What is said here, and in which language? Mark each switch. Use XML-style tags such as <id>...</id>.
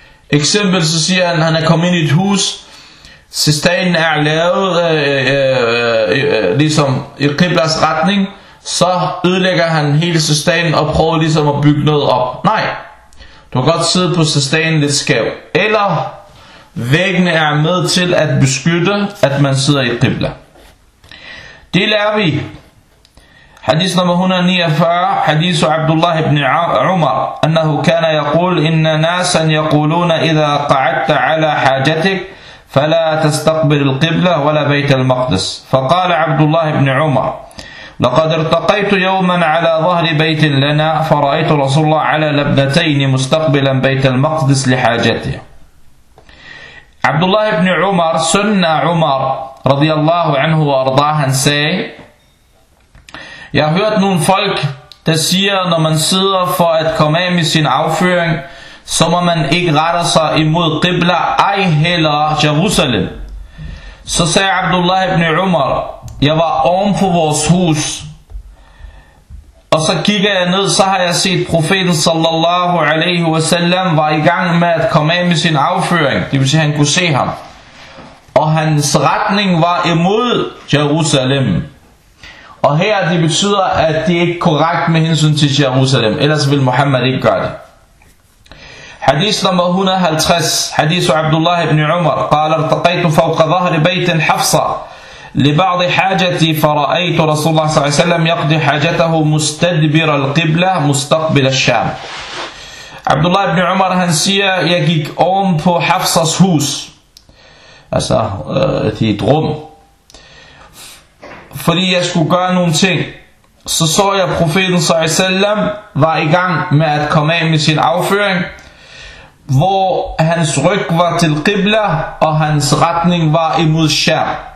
<da>Eksempel så siger han, han er kommet ind i et hus, sistanen er lavet ligesom i Qiblas retning, så ødelægger han hele sistanen og prøver ligesom at bygge noget op. Nej, du kan godt sidde på sistanen lidt skæv, eller væggene er med til at beskytte, at man sidder i Qibla. Det lærer vi.</da> <ar>حديث نمبر 149 حديث عبد الله بن عمر أنه كان يقول إن ناسا يقولون إذا قعدت على حاجتك فلا تستقبل القبلة ولا بيت المقدس فقال عبد الله بن عمر لقد ارتقيت يوما على ظهر بيت لنا فرأيت رسول الله على لبنتين مستقبلا بيت المقدس لحاجته عبد الله بن عمر سنة عمر رضي الله عنه وأرضاه سي.</ar> <da>Jeg har hørt nogle folk, der siger, når man sidder for at komme af med sin afføring, så må man ikke rette sig imod Qibla, ej heller Jerusalem. Så sagde Abdullah ibn Umar, jeg var oven på vores hus, og så kigger jeg ned, så har jeg set profeten sallallahu alaihi wasallam var i gang med at komme af med sin afføring, det vil sige, at han kunne se ham. Og hans retning var imod Jerusalem. Og her det betyder, at det ikke er korrekt med hensyn til Jerusalem, ellers vil Muhammad ikke gøre det. Hadith nummer 150, hadith af Abdullah ibn Umar,</da> <ar>قال ارتقيت فوق ظهر بيت حفصة لبعض حاجتي فرأيت رسول الله صلى الله عليه وسلم يقضي حاجته مستدبر القبلة مستقبل الشام.</ar> <da>Abdullah ibn Umar, han siger, jeg gik om på Hafsas hus, altså et rum, fordi jeg skulle gøre nogle ting. Så jeg profeten sallam var i gang med at komme af med sin afføring, hvor hans ryg var til Qibla, og hans retning var imod Sham.</da>